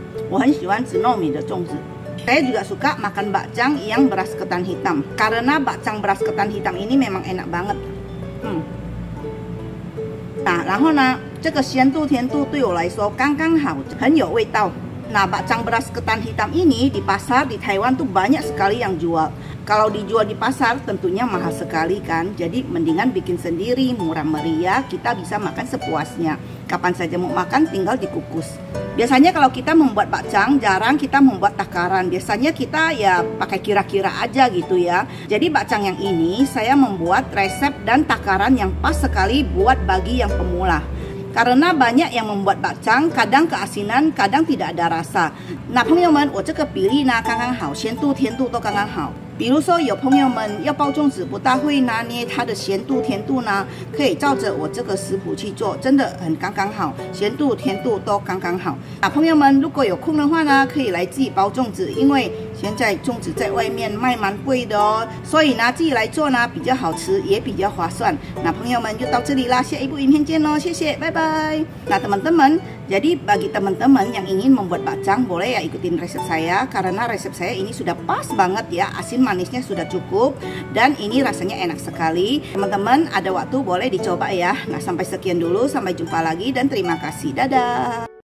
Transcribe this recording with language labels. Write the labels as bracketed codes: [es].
[zh] 我很喜欢紫糯米的粽子。 [id] Saya juga suka makan bakcang yang beras ketan hitam， karena bakcang beras ketan hitam ini memang enak banget。 [zh] 然后呢，这个鲜度甜度对我来说刚刚好，很有味道。 [id] Nah, bakcang beras ketan hitam ini di pasar di Taiwan tuh banyak sekali yang jual. Kalau dijual di pasar tentunya mahal sekali kan. Jadi mendingan bikin sendiri, murah meriah, kita bisa makan sepuasnya. Kapan saja mau makan tinggal dikukus. Biasanya kalau kita membuat bakcang, jarang kita membuat takaran. Biasanya kita ya pakai kira-kira aja gitu ya. Jadi bakcang yang ini saya membuat resep dan takaran yang pas sekali buat bagi yang pemula. Karena banyak yang membuat bakcang, kadang keasinan, kadang tidak ada rasa. [zh] Nah, 朋友们，我这个比例呢刚刚好，咸度甜度都刚刚好。比如说，有朋友们要包粽子，不大会拿捏它的咸度甜度呢，可以照着我这个食谱去做，真的很刚刚好，咸度甜度都刚刚好。啊，朋友们，如果有空的话呢，可以来自己包粽子，因为现在粽子在外面卖蛮贵的哦，所以呢，自己来做呢比较好吃，也比较划算。那朋友们就到这里啦，下一部影片见哦，谢谢，拜拜。那 [id] teman-teman。 Jadi bagi teman-teman yang ingin membuat bakcang boleh ya ikutin resep saya, karena resep saya ini sudah pas banget ya, asin manisnya sudah cukup dan ini rasanya enak sekali. Teman-teman ada waktu boleh dicoba ya. Nah, sampai sekian dulu, sampai jumpa lagi dan terima kasih. Dadah.